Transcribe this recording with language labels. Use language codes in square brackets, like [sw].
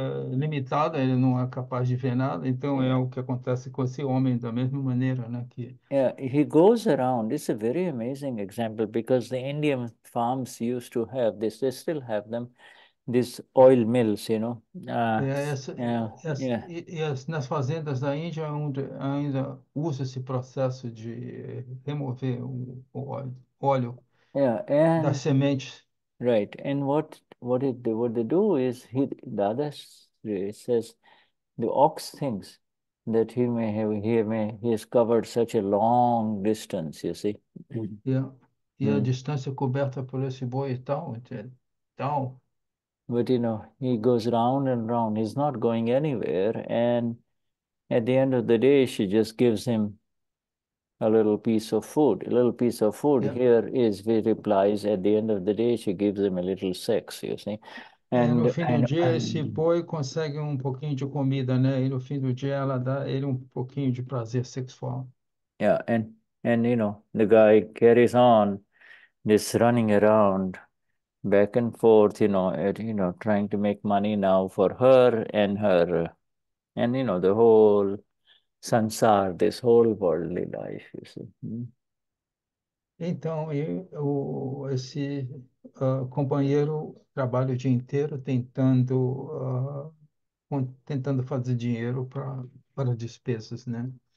[pt] Limitada, ele não é capaz de ver nada, então é o que acontece com esse homem da mesma maneira, né, que [en] He goes around. It's a very amazing example because the Indian farms used to have this. They still have them. These oil mills, [pt] nas fazendas da Índia, onde ainda usa esse processo de remover o óleo das sementes. [en] And what they do is he Dadashri says the ox thinks that he has covered such a long distance, you see. [pt] E a distância coberta por esse boi e tal, tal. [en] But he goes round and round. He's not going anywhere. And at the end of the day, she just gives him a little piece of food. A little piece of food here is, he replies, at the end of the day, she gives him a little sex, you see. [pt] No [en] And [pt] fim do dia, esse boi consegue um pouquinho de comida, né? E no fim do dia, ela dá ele um pouquinho de prazer sexual. [en] the guy carries on just running around. Back and forth, trying to make money now for her and her, and the whole samsara, this whole worldly life, you see. [pt] Então, esse companheiro trabalha o dia inteiro tentando fazer dinheiro para despesas, né?